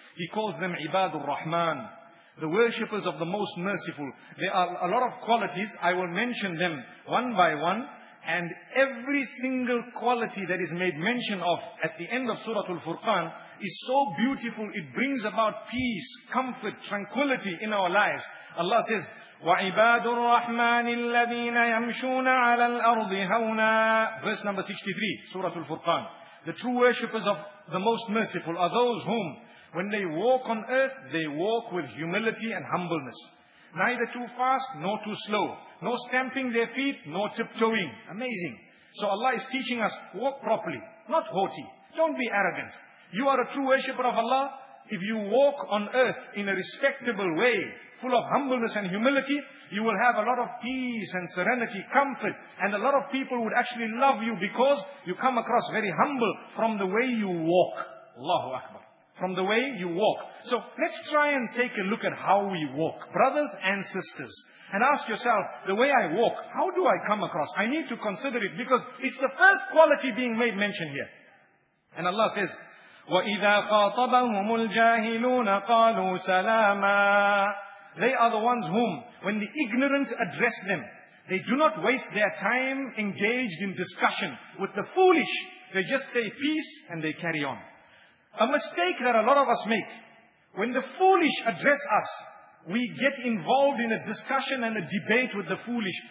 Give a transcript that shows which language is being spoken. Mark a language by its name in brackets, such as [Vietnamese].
[English] He calls them Ibadur Rahman, the worshippers of the most merciful. There are a lot of qualities, I will mention them one by one, and every single quality that is made mention of at the end of Surah Al-Furqan is so beautiful, it brings about peace, comfort, tranquility in our lives. Allah says, [Arabic] وَعِبَادُ الرَّحْمَنِ الَّذِينَ يَمْشُونَ عَلَى الْأَرْضِ هَوْنَا. [English] Verse number 63, Surah Al-Furqan. The true worshippers of the most merciful are those whom, when they walk on earth, they walk with humility and humbleness. Neither too fast, nor too slow. Nor stamping their feet, nor tiptoeing. Amazing. So Allah is teaching us, walk properly, not haughty. Don't be arrogant. You are a true worshipper of Allah. If you walk on earth in a respectable way, full of humbleness and humility, you will have a lot of peace and serenity, comfort, and a lot of people would actually love you because you come across very humble from the way you walk. Allahu Akbar. From the way you walk. So let's try and take a look at how we walk, brothers and sisters, and ask yourself, the way I walk, how do I come across? I need to consider it because it's the first quality being made mention here. And Allah says, [Arabic] وَإِذَا خَاطَبَهُمُ الْجَاهِلُونَ قَالُوا سَلَامًا. [English] They are the ones whom, when the ignorant address them, they do not waste their time engaged in discussion with the foolish. They just say peace and they carry on. A mistake that a lot of us make, when the foolish address us, we get involved in a discussion and a debate with the foolish.